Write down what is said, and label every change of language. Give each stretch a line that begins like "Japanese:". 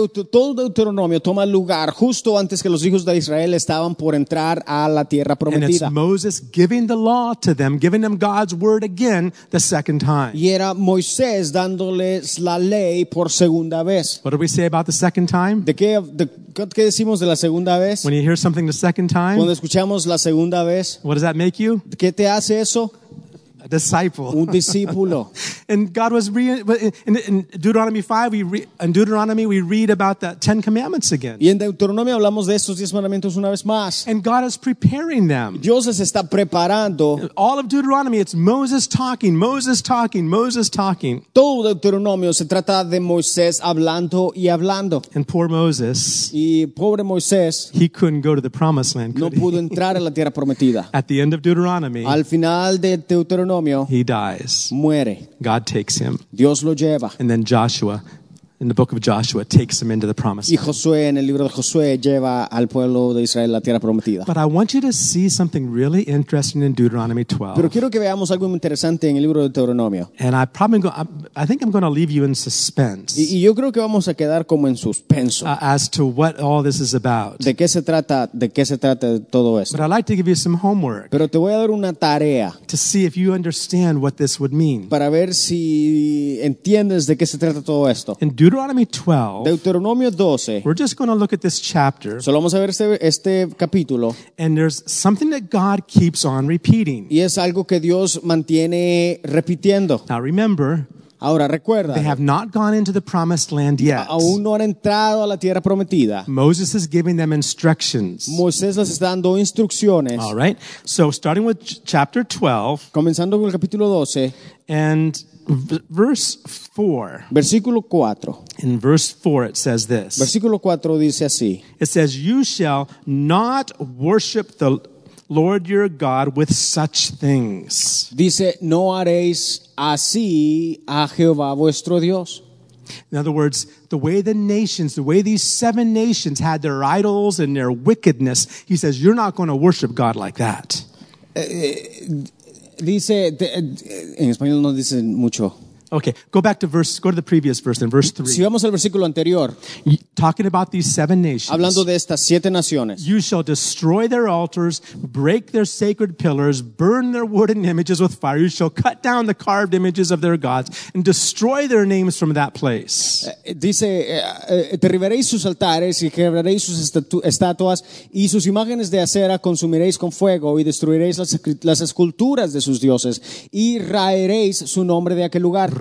Spanish: Todo Deuteronomio toma lugar justo antes que los hijos de Israel estaban por entrar a la tierra prometida.
English: And it's Moses giving the law to them, giving them God's word again the second time.
Spanish: Y era Moisés dándoles la ley por segunda vez.
English: What do we say about the second time?
Spanish: ¿Qué decimos de la segunda vez?
English: When you hear something the second time,
Spanish: cuando escuchamos la segunda vez,
English: what does that make you?
Spanish: ¿Qué te hace eso?
English: A disciple.
Spanish: Un discípulo.
English: And God was in Deuteronomy we read about the Ten Commandments again.
Spanish: Y en Deuteronomio hablamos de estos diez mandamientos una vez más.
English: And God is preparing them.
Spanish: Dios les está preparando.
English: All of Deuteronomy, it's Moses talking, Moses talking, Moses talking.
Spanish: Todo Deuteronomio se trata de Moisés hablando y hablando.
English: And poor Moses.
Spanish: Y pobre Moisés.
English: He couldn't go to the Promised Land.
Spanish: No pudo entrar a la tierra prometida.
English: At the end of Deuteronomy.
Spanish: Al final de Deuteronomio.
English: He dies.
Spanish: Muere.
English: God takes him.
Spanish: Dios lo lleva.
English: And then Joshua, in the book of Joshua, takes him into the promised
Spanish: land. Y Josué, en el libro de Josué, lleva al pueblo de Israel a la tierra prometida.
English: But I want you to see something really interesting in Deuteronomy 12.
Spanish: Pero quiero que veamos algo muy interesante en el libro de Deuteronomio.
English: And I think I'm going to leave you in suspense.
Spanish: Y yo creo que vamos a quedar como en suspenso.
English: As to what all this is about.
Spanish: De qué se trata todo esto.
English: But I'd like to give you some homework.
Spanish: Pero te voy a dar una tarea.
English: To see if you understand what this would mean.
Spanish: Para ver si entiendes de qué se trata todo esto.
English: Deuteronomy 12.
Spanish: Deuteronomio 12.
English: We're just going to look at this chapter.
Spanish: Solo vamos a ver este capítulo.
English: And there's something that God keeps on repeating.
Spanish: Y es algo que Dios mantiene repitiendo.
English: Now remember,
Spanish: ahora recuerda,
English: they have not gone into the promised land yet.
Spanish: Aún no han entrado a la tierra prometida.
English: Moses is giving them instructions.
Spanish: Moisés les está dando instrucciones.
English: All right. So starting with chapter 12.
Spanish: Comenzando con el capítulo 12.
English: And verse 4.
Spanish: Versículo 4.
English: In verse 4 it says this.
Spanish: Versículo 4 dice así.
English: It says, you shall not worship the Lord your God with such things.
Spanish: Dice, no haréis así a Jehová vuestro Dios.
English: In other words, the way the nations, the way these seven nations had their idols and their wickedness, he says, you're not going to worship God like that.
Spanish: Dice, en español no dice mucho.
English: Okay, go to the previous verse, verse 3.
Spanish: Si vamos al versículo anterior.
English: Talking about these seven nations.
Spanish: Hablando de estas siete naciones.
English: You shall destroy their altars, break their sacred pillars, burn their wooden images with fire. You shall cut down the carved images of their gods and destroy their names from that place.
Spanish: Dice, derribaréis sus altares y quebraréis sus estatuas y sus imágenes de acera consumiréis con fuego y destruiréis las esculturas de sus dioses y raeréis su nombre de aquel lugar.